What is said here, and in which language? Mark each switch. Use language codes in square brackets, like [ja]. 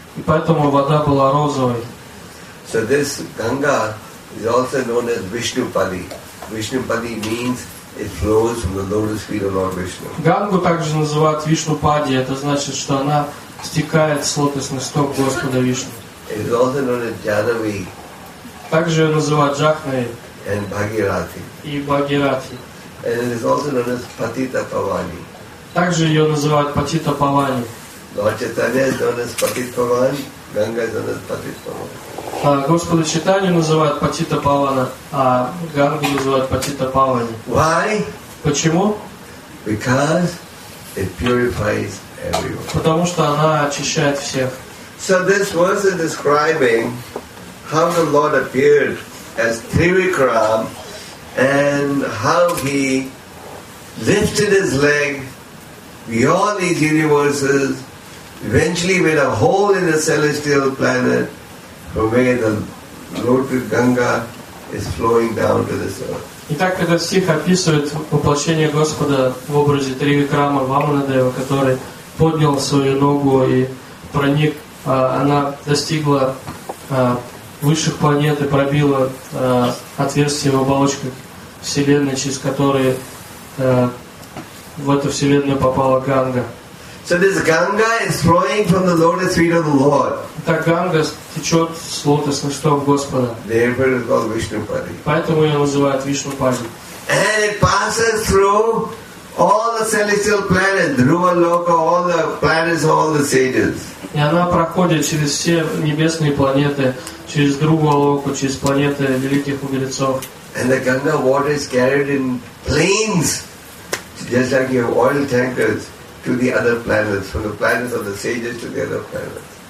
[ru] И поэтому вода была розовой. [en] So this Ganga is also known as Vishnupadi. Vishnupadi means it flows from the lotus feet of Lord Vishnu. [ru] Гангу также называют Вишнупади. Это значит, что она стекает с лотосных стоп Господа Вишну. [en] It is also known as Janavi. [ru] Также ее называют Джахнави. [en] And Bhagirathi. [ru] И Бхагирати. [en] And it is also known as Patita Pavani. [ru] Также ее называют Патита Павани. [en] Lord Chaitanya is known as Patita Pavani. Ганга is known as Patita Pavani. [ru] Господа Чайтанью называют Патита Павана, а Гангу называют Патита Павани. [en] Why? [ru] Почему? [en] Because it purifies everyone. [ru] Потому что она очищает всех. [en] So this verse is describing how the Lord appeared as Trivikram and how he lifted his leg beyond these universes, eventually made a hole in the celestial planet from where the lotus Ganga is flowing down to this earth. [ru] Итак, этот стих описывает воплощение Господа в образе Тривикрама Ваманадева, который поднял свою ногу и проник, она достигла высших планет и пробила отверстие в оболочках Вселенной, через которые в эту Вселенную попала Ганга. [en] So this Ganga is flowing from the lotus feet of the Lord. [ru] Так Ганга течет с лотосных стоп Господа. [en] Therefore it's called Vishnupadi. [ru] Поэтому ее называют Вишнупади. [en] And it passes through all the celestial planets, Dhruva Loka, all the planets, all the sages. [ru] И она проходит через все небесные планеты, через Дхрува Локу, через планеты великих мудрецов. [en] And the Ganga water is carried in planes, just like your oil tankers, to the other planets, from the planets of the sages to the other planets.